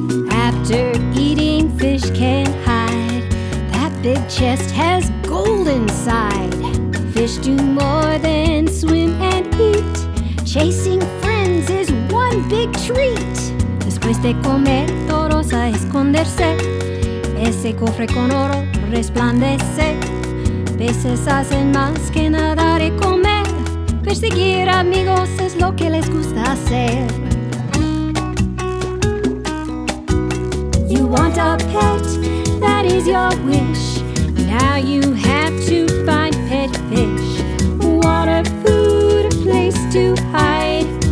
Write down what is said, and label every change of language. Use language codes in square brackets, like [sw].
[en] After eating, fish can hide. That big chest has gold inside. Fish do more than swim and eat. Chasing friends is one big treat. [es] Después de comer, todos a esconderse. Ese cofre con oro resplandece. Peces hacen más que nadar y comer. Perseguir amigos es lo que les gusta hacer. [en] You want a pet, that is your wish. Now you have to find pet fish. Water, food, a place to hide.